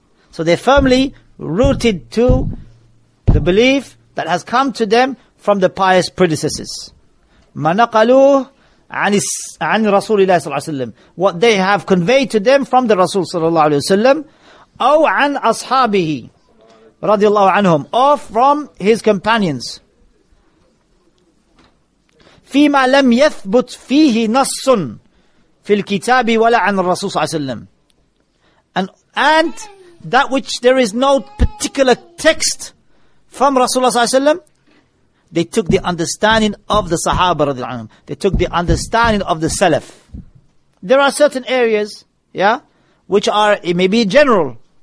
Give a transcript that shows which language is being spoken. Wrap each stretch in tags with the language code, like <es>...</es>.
<en>So they're firmly rooted to the belief that has come to them from the pious predecessors.</en> <ar>مَنَقَلُوهُ عَنِ رَسُولِ اللَّهِ صَلَّى اللَّهُ عَلَيْهِ وَسَلَّمَ</ar> <en>What they have conveyed to them from the Rasul sallallahu alayhi wa sallam</en> <ar>أو عَنْ أَصْحَابِهِ رَضِيَ اللَّهُ عَنْهُمْ</ar> <en>or from his companions.</en> <ar>فيما لم يثبت فيه نص في الكتاب ولا عن الرسول صلى الله عليه وسلم.</ar> <en>And that which there is no particular text from Rasulullah صلى الله عليه وسلم, they took the understanding of the Sahaba رضي الله عنهم. They took the understanding of the Salaf. There are certain areas, yeah, which are, it may be general.</en>